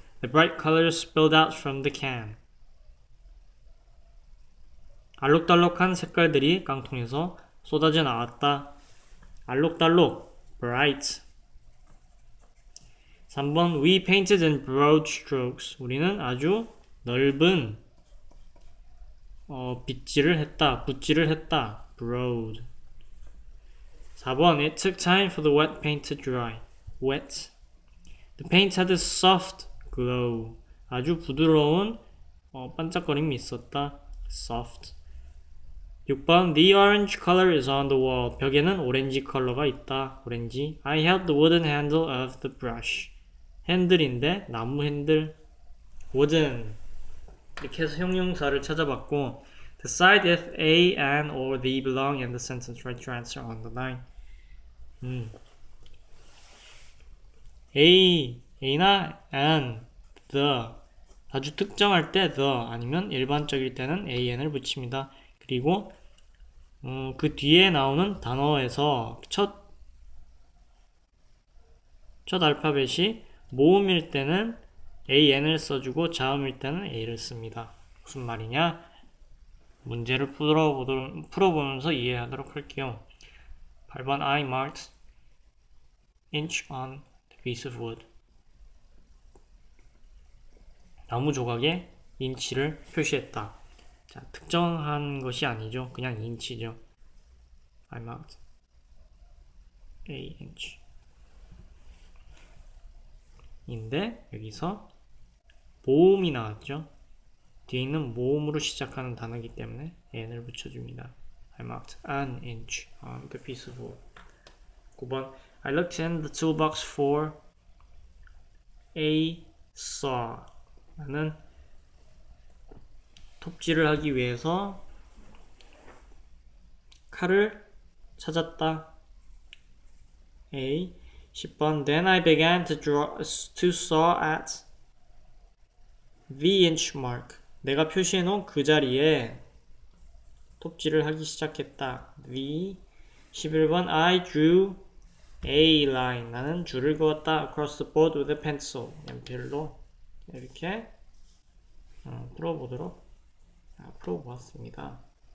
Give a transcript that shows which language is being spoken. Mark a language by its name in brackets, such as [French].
[English] The bright colors spilled out from the can. [Korean] 알록달록한 색깔들이 깡통에서 쏟아져 나왔다. 알록달록, bright. [English] 3번, we painted in broad strokes. [Korean] 우리는 아주 넓은 붓질을 했다. [English] broad. 4번, it took time for the wet paint to dry. wet. The paint had a soft glow. [Korean] 아주 부드러운 반짝거림이 있었다. [English] soft. 6번, the orange color is on the wall. [Korean] 벽에는 오렌지 컬러가 있다. 오렌지. [English] I held the wooden handle of the brush. [Korean] 핸들인데, 나무 핸들. wooden. 이렇게 해서 형용사를 찾아봤고, [English] decide if A, an, or the belong in the sentence. Write your answer on the line. [Korean] A나 an, the. 아주 특정할 때 the, 아니면 일반적일 때는 an을 붙입니다. 그리고, 그 뒤에 나오는 단어에서 첫 알파벳이 모음일 때는 an을 써주고 자음일 때는 a를 씁니다. 무슨 말이냐? 문제를 풀어보면서 이해하도록 할게요. [English] 8번, I marked inch on the piece of wood. [Korean] 나무 조각에 인치를 표시했다. 자, 특정한 것이 아니죠. 그냥 인치죠. I marked A인치 인데 여기서 모음이 나왔죠. 뒤에 있는 모음으로 시작하는 단어이기 때문에 N을 붙여줍니다. [English] I marked an inch on the piece of wood. [Korean] 9번. [English] I looked in the toolbox for a saw. [Korean] 나는 톱질을 하기 위해서 칼을 찾았다. A. 10번. [English] Then I began to draw, to saw at the inch mark. [Korean] 내가 표시해 놓은 그 자리에 톱질을 하기 시작했다. [English] V. 11번. I drew a line. [Korean] 나는 줄을 그었다. [English] Across the board with a pencil. [Korean] 연필로 이렇게 풀어보도록 풀어보았습니다.